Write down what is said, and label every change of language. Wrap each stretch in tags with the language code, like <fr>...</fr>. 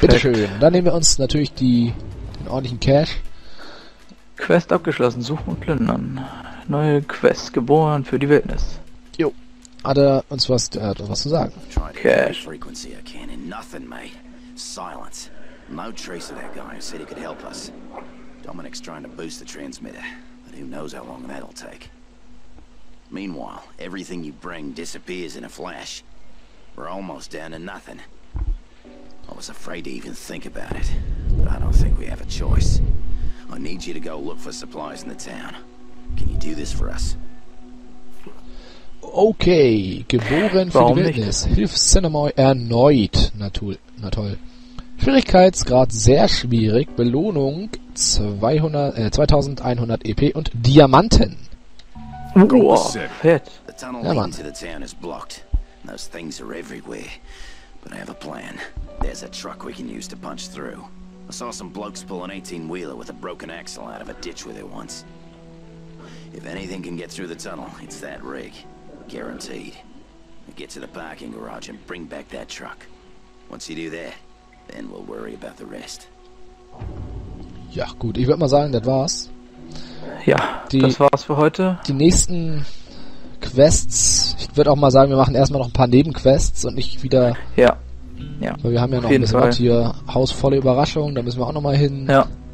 <de>Bitteschön, dann nehmen wir uns natürlich den ordentlichen Cash. Quest abgeschlossen, suchen und plündern. Neue Quest geboren für die Wildnis. Jo. Hat er uns was, was zu sagen? Cash.</de> <en>Frequency I can in nothing, mate. Silence. No trace of that guy who said he could help us. Dominic's trying to boost the transmitter, but who knows how long that'll take. Meanwhile, everything you bring disappears in a flash. We're almost down to nothing. I was afraid to even think about it, but I don't think we have a choice. I need you to go look for supplies in the town. Can you do this for us?</en> <de>Okay, geboren für die Wildnis. Hilf Cinnamoy erneut. Na toll. Schwierigkeitsgrad sehr schwierig. Belohnung 2100, 2100 EP und Diamanten. Oh, fett. The tunnel leading to the town is blocked. Those things are everywhere. But I have a plan. There's a truck we can use to punch through. I saw some blokes pull an 18-wheeler with a broken axle out of a ditch with it once. If anything can get through the tunnel, it's that rig. Guaranteed. Get to the parking garage and bring back that truck. Once you do that, then we'll worry about the rest. Ja, gut. Ich würde mal sagen, das war's. Ja, das war's für heute. Die nächsten Quests, ich würde auch mal sagen, wir machen erstmal noch ein paar Nebenquests und nicht wieder... Ja. Weil wir haben ja noch ein bisschen was hier. Haus voller Überraschungen, da müssen wir auch nochmal hin. Ja.</de>